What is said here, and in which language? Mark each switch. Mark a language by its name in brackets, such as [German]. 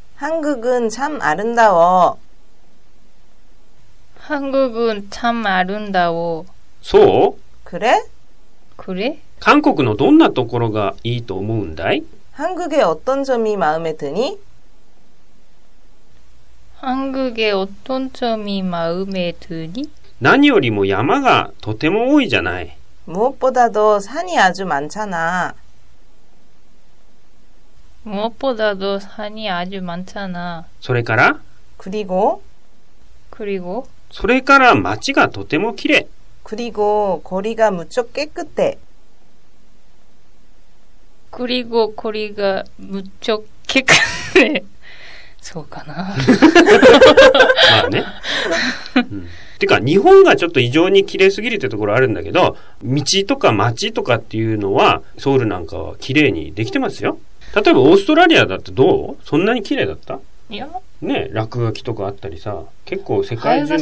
[Korean] 韓国은참아름다워。韓国은참아름다워。 [Japanese] そう？ [Korean] 그래？ 그래？ [Japanese] 韓国のどんなところがいいと思うんだい？ [Korean] 韓国의어떤점이마음에드니？ 한국의어떤점이마음에드니？ [Japanese] 何よりも山がとても多いじゃない。 [Korean] 무엇보다도산이아주많잖아。 무엇보다도산이아주많잖아。 [Japanese] それから？ [Korean] 그리고？ 그리고？ [Japanese] それから町がとてもきれい。 [Korean] 그리고거리가무척깨끗해。 그리고거리가무척깨끗해。 [Japanese] そうかな。まあね。うん、てか日本がちょっと異常に綺麗すぎるってところあるんだけど、道とか街とかっていうのはソウルなんかは綺麗にできてますよ。例えばオーストラリアだってどう？そんなに綺麗だった？いや。ね、落書きとかあったりさ、結構世界中の